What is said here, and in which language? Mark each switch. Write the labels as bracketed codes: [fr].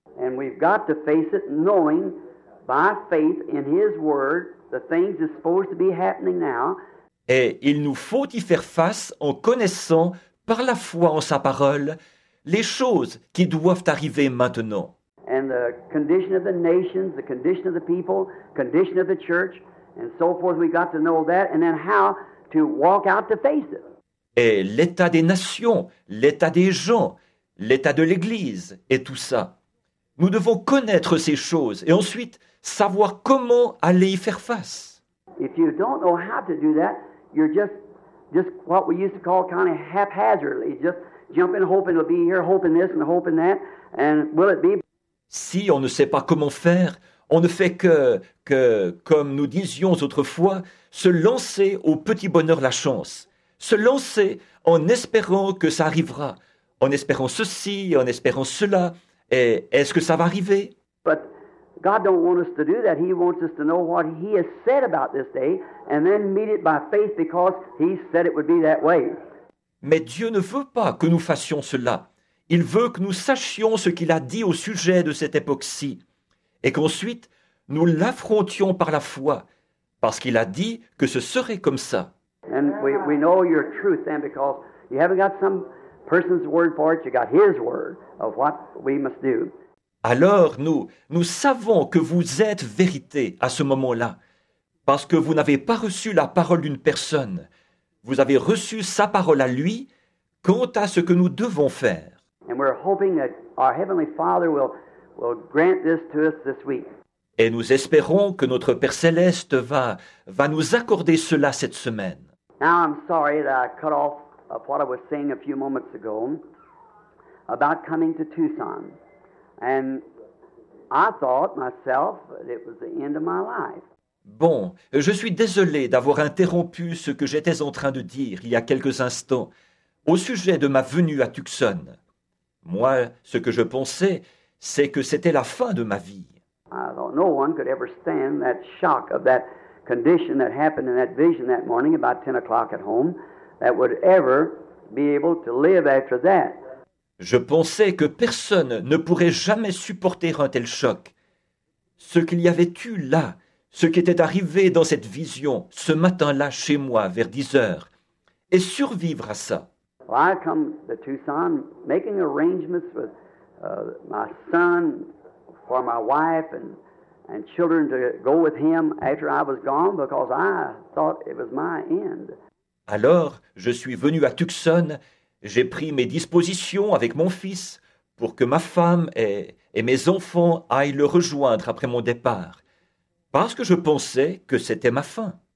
[en] And we've got to face it knowing by faith in his word the things that's supposed to be happening now. [fr] Et il nous faut y faire face en connaissant, par la foi en sa parole, les choses qui doivent arriver maintenant. [en] And the condition of the nations, the condition of the people, condition of the church, and so forth, we got to know that, and then how to walk out to face it. [fr] Et l'état des nations, l'état des gens, l'état de l'Église, et tout ça. Nous devons connaître ces choses, et ensuite savoir comment aller y faire face. [en] If you don't know how to do that, you're just what we used to call kind of haphazardly, just jumping, hoping it'll be here, hoping this and hoping that, and will it be? [fr] Si on ne sait pas comment faire, on ne fait que comme nous disions autrefois, se lancer au petit bonheur la chance. se lancer en espérant que ça arrivera, en espérant ceci, en espérant cela. Et est-ce que ça va arriver? [en] But God don't want us to do that. He wants us to know what He has said about this day and then meet it by faith because He said it would be that way. [fr] Mais Dieu ne veut pas que nous fassions cela. Il veut que nous sachions ce qu'il a dit au sujet de cette époque-ci et qu'ensuite nous l'affrontions par la foi parce qu'il a dit que ce serait comme ça. [en] And we know your truth then because you haven't got some person's word for it, you got His word of what we must do. [fr] Alors nous savons que vous êtes vérité à ce moment-là parce que vous n'avez pas reçu la parole d'une personne. Vous avez reçu sa parole à lui quant à ce que nous devons faire. [en] And we're hoping that our Heavenly Father will grant this to us this week. [fr] Et nous espérons que notre Père Céleste va nous accorder cela cette semaine. [en] Now I'm sorry that I cut off of what I was saying a few moments ago about coming to Tucson. And I thought myself that it was the end of my life. [fr] Bon, je suis désolé d'avoir interrompu ce que j'étais en train de dire il y a quelques instants au sujet de ma venue à Tucson. Moi, ce que je pensais, c'est que c'était la fin de ma vie. [en] I thought no one could ever stand that shock of that condition that happened in that vision that morning about 10 o'clock at home that would ever be able to live after that. [fr] Je pensais que personne ne pourrait jamais supporter un tel choc. Ce qu'il y avait eu là, ce qui était arrivé dans cette vision, ce matin-là chez moi, vers 10 heures, et survivre à ça. [en] Well, I come to Tucson making arrangements with my son for my wife and children to go with him after I was gone because I thought it was my end. [fr] Alors, je suis venu à Tucson. J'ai pris mes dispositions avec mon fils pour que ma femme et mes enfants aillent le rejoindre après mon départ, parce que je pensais que c'était ma fin.